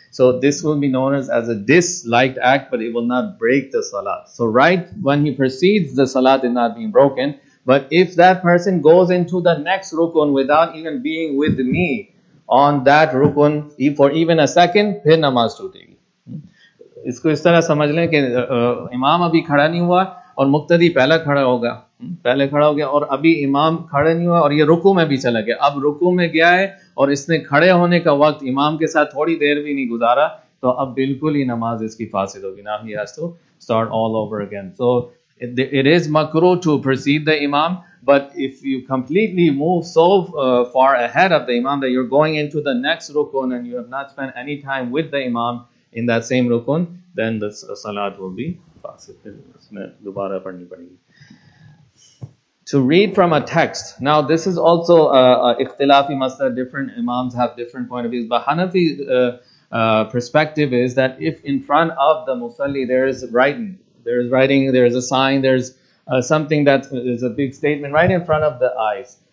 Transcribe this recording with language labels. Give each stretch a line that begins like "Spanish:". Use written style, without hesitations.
English: So this will be known as a disliked act, but it will not break the Salat. So right when he precedes, the Salat is not being broken. But if that person goes into the next Rukun without even being with me on that Rukun for even a second,
Hindi: phir namaz tootegi. इसको इस तरह समझ लें कि इमाम अभी खड़ा नहीं हुआ और मुक्तदी पहले खड़ा हो गया और अभी इमाम खड़े नहीं हुआ और ये रुकू में भी चला गया, अब रुकू में गया है और इसने खड़े होने का वक्त इमाम के साथ थोड़ी देर भी नहीं गुजारा, तो अब बिल्कुल ही नमाज इसकी फासिल होगी, ना he
English: Has to start all over again. So it is मकरूह to precede the इमाम, but if you completely move so far ahead of the इमाम that you are going into the next रुकून and you have not spend any time with the इमाम in that same रुकून, then the सलात will be फासिल,
Hindi: उसमें दोबारा पढ़नी पड़ेगी।
English: To read from a text. Now, this is also an ikhtilafi masala. Different imams have different point of views. But Hanafi perspective is that if in front of the musalli there is writing, there is a sign, there is something that is a big statement right in front of the eyes.